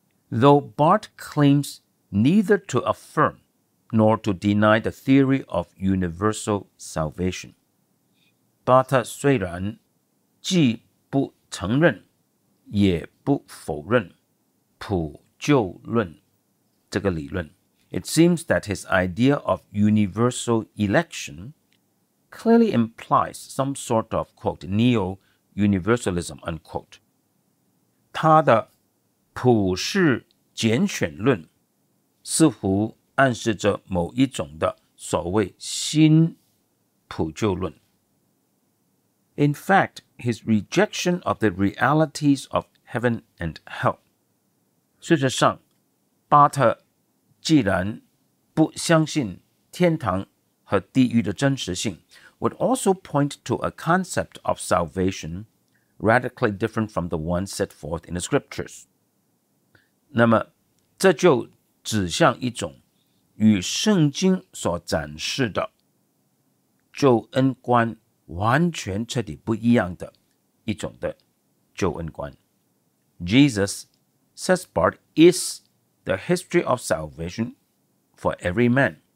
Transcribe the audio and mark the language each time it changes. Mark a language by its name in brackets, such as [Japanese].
[English] Though Barth claims neither to affirm nor to deny the theory of universal salvation, [Chinese] 巴特虽然既不承认也不否认普救论这个理论， [English] It seems that his idea of universal election clearly implies some sort of quote, neo-universalism, unquote. [Chinese] 他的普世拣选论似乎暗示着某一种的所谓新普救论。 [English] In fact, his rejection of the realities of heaven and hell. [Chinese] 事实上巴特既然不相信天堂和地狱的真实性 [English] would also point to a concept of salvation radically different from the one set forth in the scriptures. [Chinese] 那么这就指向一种与圣经所展示的救恩观完全彻底不一样的一种的救恩观。 [English] Jesus, says Barth, is the history of salvation for every man.